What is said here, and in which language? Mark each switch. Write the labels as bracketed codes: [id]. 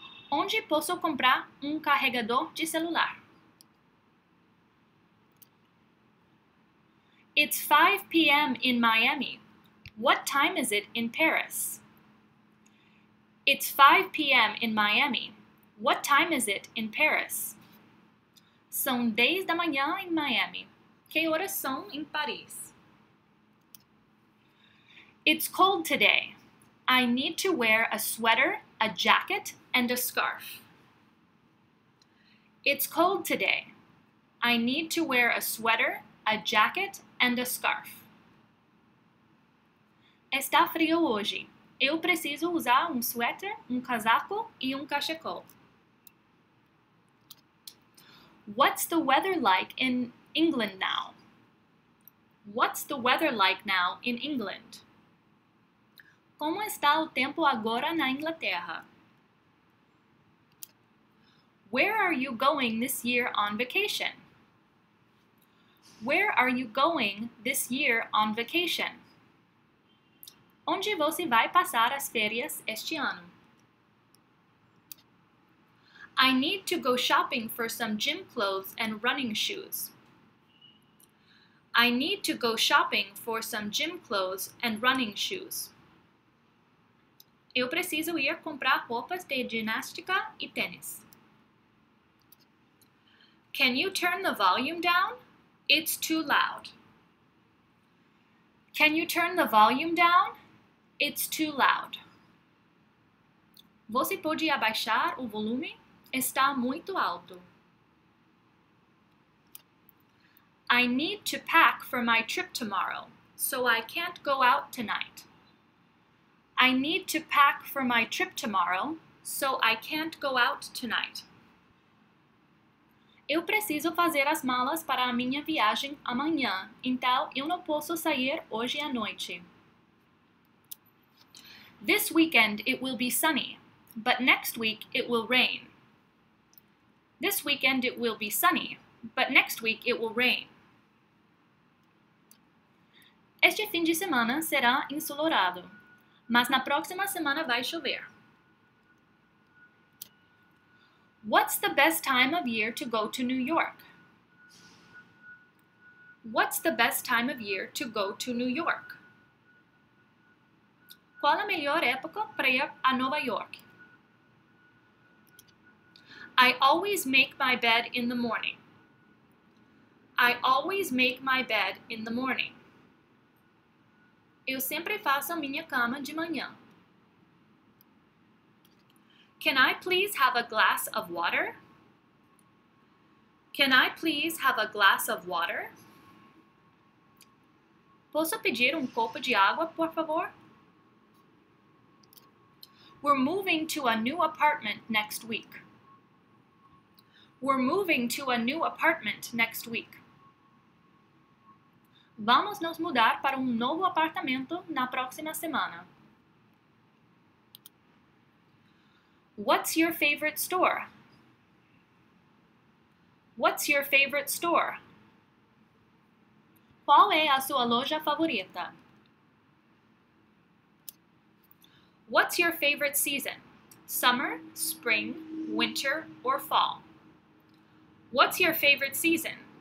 [pt] Onde posso comprar carregador de celular? [en] It's 5 p.m. in Miami. What time is it in Paris? It's 5 p.m. in Miami. What time is it in Paris? [pt] São 10 da manhã em Miami. Que horas são em Paris? [en] It's cold today. I need to wear a sweater, a jacket, and a scarf. It's cold today. I need to wear a sweater, a jacket, and a scarf. [pt] Está frio hoje. Eu preciso usar suéter, casaco e cachecol. [en] What's the weather like in England now? What's the weather like now in England? [pt] Como está o tempo agora na Inglaterra? [en] Where are you going this year on vacation? Where are you going this year on vacation? [pt] Onde você vai passar as férias este ano? [en] I need to go shopping for some gym clothes and running shoes. I need to go shopping for some gym clothes and running shoes. [pt] Eu preciso ir comprar roupas de ginástica e tênis. [en] Can you turn the volume down? It's too loud. Can you turn the volume down? It's too loud. [pt] Você pode abaixar o volume? Está muito alto. [en] I need to pack for my trip tomorrow, so I can't go out tonight. I need to pack for my trip tomorrow, so I can't go out tonight. [pt] Eu preciso fazer as malas para a minha viagem amanhã, então eu não posso sair hoje à noite. [en] This weekend it will be sunny, but next week it will rain. This weekend it will be sunny, but next week it will rain. [pt] Este fim de semana será ensolarado, mas na próxima semana vai chover. [en] What's the best time of year to go to New York? What's the best time of year to go to New York? [pt] Qual a melhor época para ir a Nova York? [en] I always make my bed in the morning. I always make my bed in the morning. [pt] Eu sempre faço a minha cama de manhã. [en] Can I please have a glass of water? Can I please have a glass of water? [pt] Posso pedir um copo de água, por favor? [en] We're moving to a new apartment next week. We're moving to a new apartment next week. [pt] Vamos nos mudar para um novo apartamento na próxima semana. [en] What's your favorite store? What's your favorite store? [pt] Qual é a sua loja favorita? [en] What's your favorite season? Summer, spring, winter, or fall? What's your favorite season?